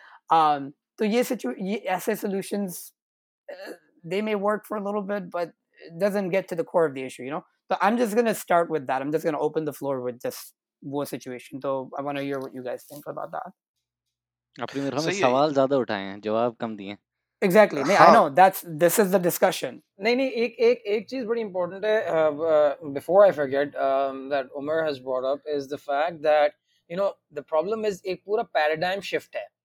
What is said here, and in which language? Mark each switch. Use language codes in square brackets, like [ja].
[ur] تو یہ [en] ایسے solutions they may work for little bit but doesn't get to the core of the issue, you know. تو I am just gonna start with that, I am just gonna open the floor with جس وہ situation. تو I want to hear what you guys think about that. [ur] اپنی میرے ہم سوال زیادہ اٹھائے ہیں, جواب کم دیے. [en] Exactly. [ur] نہیں, [en] I know that's, this is the discussion. [ur] نہیں نہیں, ایک ایک ایک چیز بڑی امپورٹنٹ ہے, [en] before I forget, that Umar has brought up is the fact that you know the problem is [ur] ایک پورا پیراڈائم شفٹ ہے.